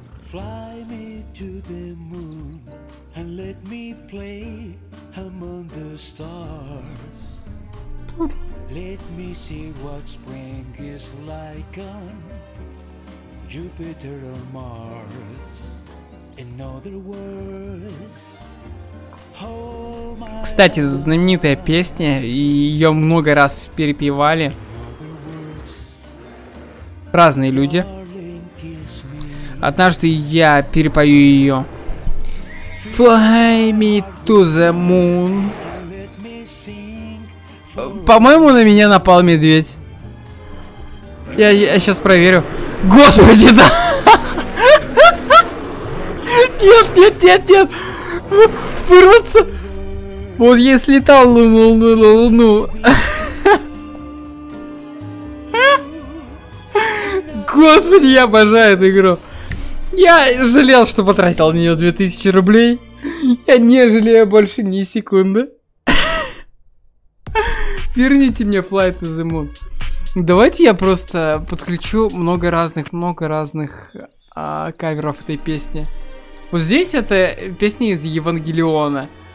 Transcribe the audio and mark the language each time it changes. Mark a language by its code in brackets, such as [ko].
[en] Fly me to the moon and let me play among the stars. Let me see what spring is like on Jupiter or Mars. In other words, hold my heart. [ru] Кстати, знаменитая песня, ее много раз перепевали разные люди. Однажды я перепою ее. [en] Fly me to the moon. [ru] По-моему, на меня напал медведь. Я сейчас проверю. Господи, да! Нет. Вырваться! Вот я слетал на луну. Господи, я обожаю эту игру. Я жалел, что потратил на нее 2000 рублей. Я не жалею больше ни секунды. Верните мне Flight to the Moon. Давайте я просто подключу много разных каверов этой песни. Вот здесь это песня из Евангелиона.